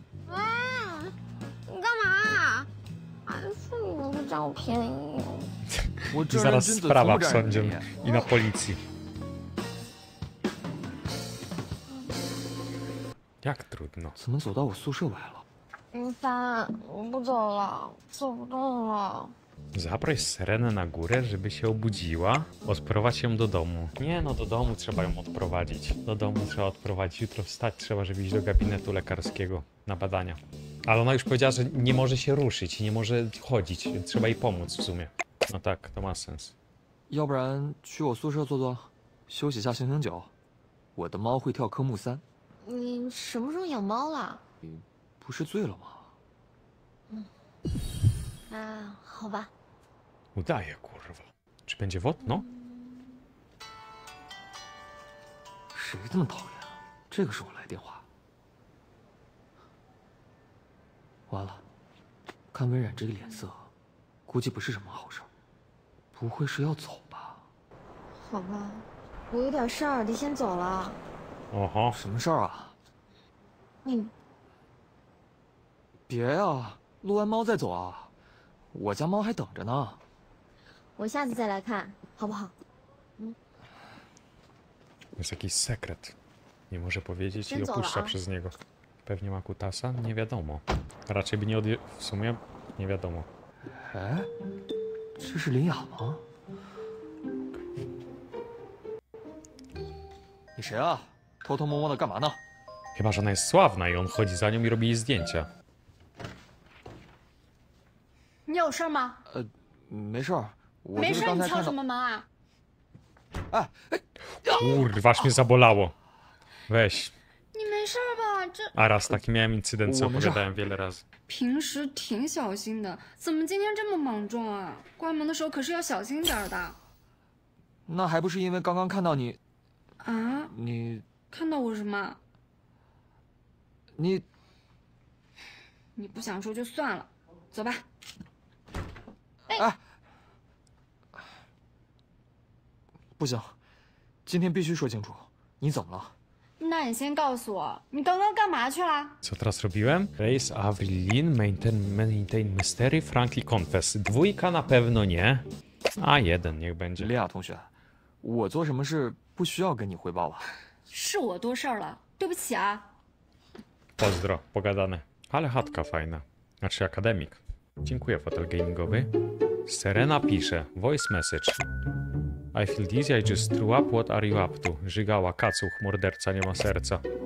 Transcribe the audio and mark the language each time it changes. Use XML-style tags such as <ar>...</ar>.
<zh>啊！你干嘛？还说你不占我便宜？我这人君子从不占便宜。那波利奇。</zh> <pl>Jak trudno.</pl> <zh>怎么走到我宿舍来了？林三，我不走了，走不动了。</zh> <pl>Zaproś Serenę na górę, żeby się obudziła. Odprowadź ją do domu. Nie, no do domu trzeba ją odprowadzić. Do domu trzeba odprowadzić. Jutro wstać trzeba, żeby iść do gabinetu lekarskiego na badania. Ale ona już powiedziała, że nie może się ruszyć, nie może chodzić. Trzeba jej pomóc w sumie. No tak, to ma sens.</pl> <zh>要不然去我宿舍坐坐，休息一下，醒醒酒。我的猫会跳科目三。你什么时候养猫了？你不是醉了吗？嗯。好吧。</zh> <pl>Udaje kurwa. Czy będzie wodno?</pl> <zh>谁这么讨厌啊？这个时候来电话。完了，看温染这个脸色，估计不是什么好事。不会是要走吧？好吧，我有点事儿，得先走了。哦好。什么事儿啊？你。别呀，撸完猫再走啊。我家猫还等着呢，我下次再来看，好不好？嗯。</zh> <pl>Jest jakiś sekret, nie może powiedzieć i opuszcza przez niego. Pewnie ma kutasa, nie wiadomo. Raczej by nie odje... w sumie nie wiadomo.</pl> <zh>E? 这是林雅吗？你谁啊？偷偷摸摸的干嘛呢？</zh> <pl>Chyba że ona jest sławna i on chodzi za nią i robi jej zdjęcia。</pl> <zh>你有事吗？没事儿，我没事。你敲什么门啊？</zh> <pl>Kurwa, aż mnie zabolało. Weź.</pl> <zh>你没事吧？这。</zh> <pl>A raz taki miałem incydent, co opowiadałem wiele razy.</pl> <zh>平时挺小心的，怎么今天这么莽撞啊？关门的时候可是要小心点的。那还不是因为刚刚看到你。啊？你看到我什么？你。你不想说就算了，走吧。哎，不行，今天必须说清楚，你怎么了？那你先告诉我，你刚刚干嘛去了？</zh> <pl>Co teraz robiłem?</pl> <en>Race, Avril Lin, maintain mystery, frankly confess.</en> <pl>Dwójka na pewno nie, a jeden niech będzie.</pl> <zh>Lea 同学，我做什么事不需要跟你汇报啊？是我多事了，对不起啊。</zh> <pl>Pozdro, pogadane. Ale chatka fajna, znaczy akademik. Dziękuję, fotel gamingowy. Serena pisze.</pl> <en>Voice message. I feel dizzy, I just threw up, what are you up to?</en> <pl>Żygała, kacuch, morderca, nie ma serca.</pl>